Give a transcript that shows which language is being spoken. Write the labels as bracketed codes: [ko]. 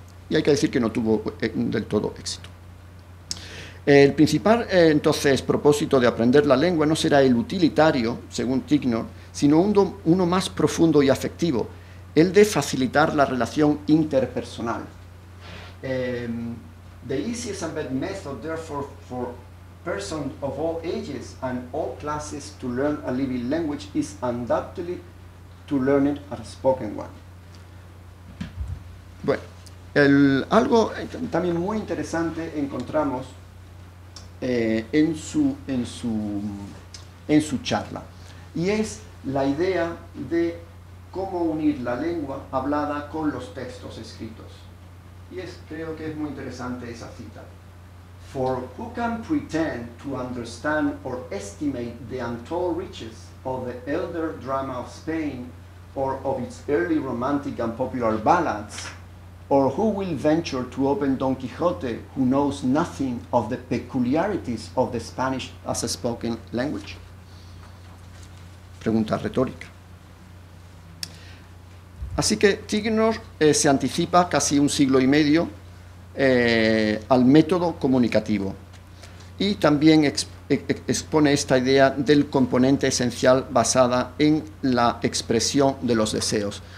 [es] Y hay que decir que no tuvo del todo éxito. El principal, entonces, propósito de aprender la lengua no será el utilitario, según Ticknor, sino uno más profundo y afectivo, el de facilitar la relación interpersonal. [en] The easiest and best method, therefore, for persons of all ages and all classes to learn a living language is undoubtedly to learn it as a spoken one. [es] Bueno, algo también muy interesante encontramos en su charla, y es la idea de cómo unir la lengua hablada con los textos escritos. Y es, creo que es muy interesante esa cita: [en] "For who can pretend to understand or estimate the untold riches of the elder drama of Spain or of its early romantic and popular ballads? Or who will venture to open Don Quixote who knows nothing of the peculiarities of the Spanish as a spoken language?" [es] Pregunta retórica. Así que Ticknor se anticipa casi un siglo y medio al método comunicativo, y también expone esta idea del componente esencial basada en la expresión de los deseos.